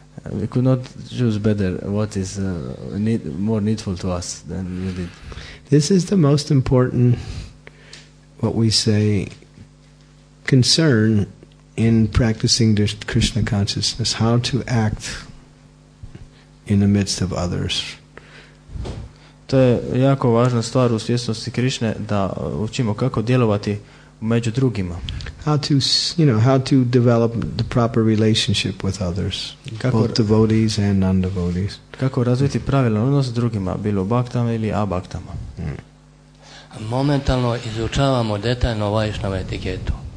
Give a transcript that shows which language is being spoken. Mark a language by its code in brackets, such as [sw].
[en] We could not choose better what is more needful to us than you did. This is the most important, what we say, concern in practicing the Krishna consciousness, how to act in the midst of others. [bs] To je jako važna stvar u svjesnosti Krišne, da učimo kako djelovati među drugima. [en] How to develop the proper relationship with others, [bs] kako, [en] both devotees and non-devotees. [bs] Kako razviti pravilan odnos s drugima, bilo baktama ili abaktama. Momentalno izučavamo detaljno Vaishnava etiketu.